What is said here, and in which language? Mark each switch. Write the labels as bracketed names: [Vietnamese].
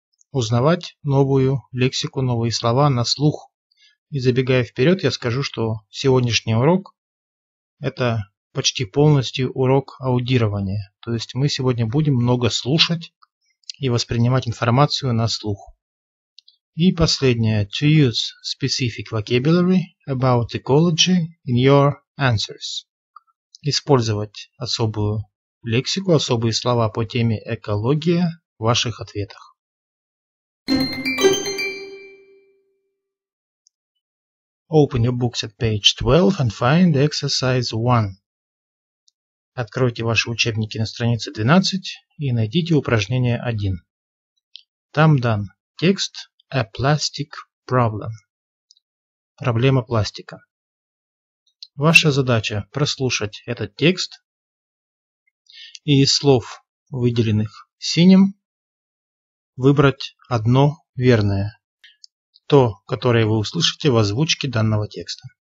[Russian] Узнавать новую лексику, новые слова на слух. И забегая вперед, я скажу, что сегодняшний урок – это почти полностью урок аудирования. То есть мы сегодня будем много слушать и воспринимать информацию на слух. И последнее. [English] To use specific vocabulary about ecology in your answers. [Russian] Использовать особую лексику, особые слова по теме экология в ваших ответах. [English] Open your books at page 12 and find exercise 1. [Russian] Откройте ваши учебники на странице 12 и найдите упражнение 1. Там дан текст. [English] A plastic problem. [Russian] Проблема пластика. Ваша задача прослушать этот текст и из слов, выделенных синим, выбрать одно верное, то, которое вы услышите в озвучке данного текста.